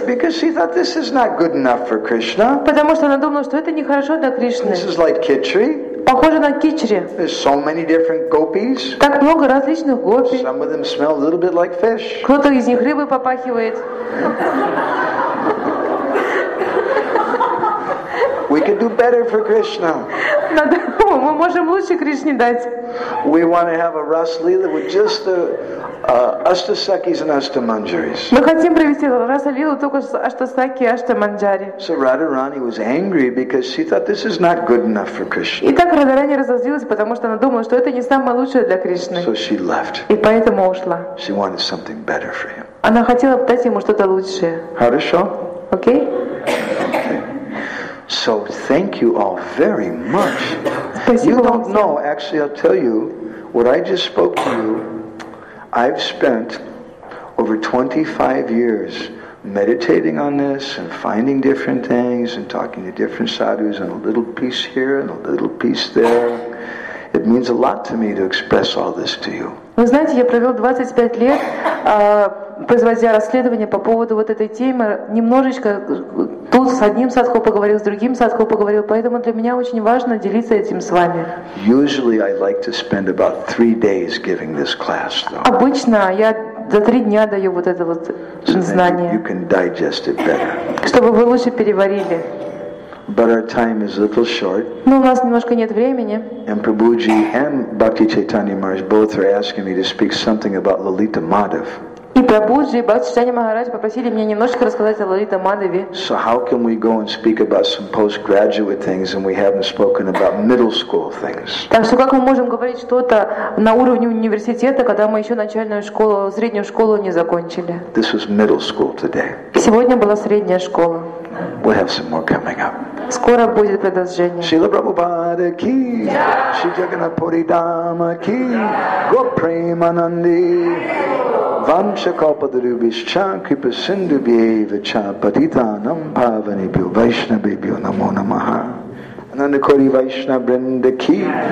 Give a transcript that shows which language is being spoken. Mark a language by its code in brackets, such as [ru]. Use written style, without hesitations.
[en] Because she thought this is not good enough for Krishna. [ru] Потому что она думала, что это не хорошо для Кришны. [en] This is like Khichdi. [ru] Похоже на Khichdi. [en] There's so many different gopis. [ru] Так много различных гопи. [en] Some of them smell a little bit like fish. [ru] Кто-то из них рыбы попахивает. [en] We can do better for Krishna. [ru] Мы можем лучше Кришне дать. [en] We want to have a Ras Lila with just the Ashtasakis and Ashtamanjaris. [ru] Мы хотим провести Рас Лилу только с Аштасаки и Аштаманджари. [en] So Radharani was angry because she thought this is not good enough for Krishna. [ru] Итак, Радхарани разозлилась, потому что она думала, что это не самое лучшее для Кришны. [en] So she left. [ru] И поэтому ушла. [en] She wanted something better for him. [ru] Она хотела дать ему что-то лучшее. Хорошо. Окей. [en] So thank you all very much. You don't know, actually I'll tell you, what I just spoke to you, I've spent over 25 years meditating on this and finding different things and talking to different sadhus and a little piece here and a little piece there. It means a lot to me to express all this to you. [ru] Вы знаете, я провел 25 лет, производя расследование по поводу вот этой темы, немножечко тут с одним садху поговорил, с другим садху поговорил, поэтому для меня очень важно делиться этим с вами. [en] Usually I like to spend about 3 days giving this class, though. [ru] Обычно я за 3 дня даю вот это вот знание. [en] You can digest it better. [ru] Чтобы вы лучше переварили. [en] But our time is a little short. [ru] Но у нас немножко нет времени. [en] And Prabhuji and Bhakti Chaitanya Maharaj both are asking me to speak something about Lalita Madhav. [ru] И Прабуджи и Бхакти Чайтанья Махарадж попросили меня немножко рассказать о Лалита Мадхаве. [en] So how can we go and speak about some postgraduate things and we haven't spoken about middle school things? [ru] Так что как мы можем говорить что-то на уровне университета, когда мы еще начальную школу, среднюю школу не закончили? [en] This was middle school today. [ru] Сегодня была средняя школа. [en] We'll have some more coming up. [ru] Скоро будет продолжение. [sa] Шрила Прабхупада ки, Шри Джаганнат Пури Дама ки, Гопремананди, Вамша Калпадрубишча, Крипа Синдубиевича, Патитанам Паванибью, Вайшнабибью, Намо Намаха, Анандакори Вайшнабринда ки.